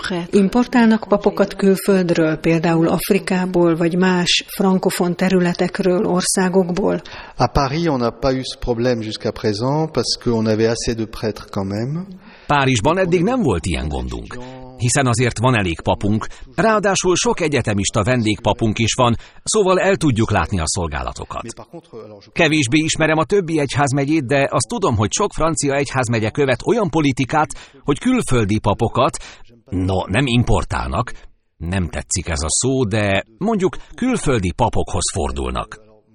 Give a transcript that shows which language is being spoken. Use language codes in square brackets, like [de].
[hu] Importálnak papokat külföldről, például Afrikából, vagy más frankofon területekről, országokból? [fr] À Paris, on n'a pas eu ce problème jusqu'à présent, parce qu'on avait assez de prêtres quand même. [hu] Párizsban eddig nem volt ilyen gondunk, hiszen azért van elég papunk, ráadásul sok egyetemista vendégpapunk is van, szóval el tudjuk látni a szolgálatokat. Kevésbé ismerem a többi egyházmegyét, de azt tudom, hogy sok francia egyházmegye követ olyan politikát, hogy külföldi papokat, nem importálnak, nem tetszik ez a szó, de mondjuk külföldi papokhoz fordulnak.